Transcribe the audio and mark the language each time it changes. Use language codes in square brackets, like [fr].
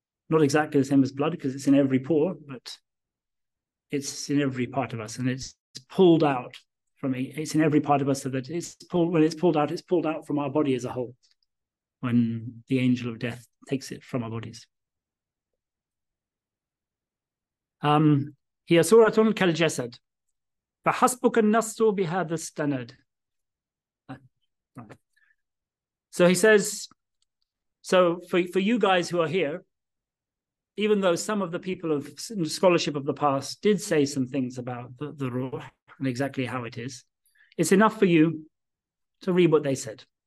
[en] Not exactly the same as blood because it's in every pore, but it's in every part of us and it's pulled out from me. It's in every part of us so that it's pulled out from our body as a whole when the angel of death takes it from our bodies. [ar] هي سورة كالجسد فحسبك النص بهذا استند. [en] So he says, so for you guys who are here, even though some of the people of scholarship of the past did say some things about the ruh and exactly how it is, it's enough for you to read what they said.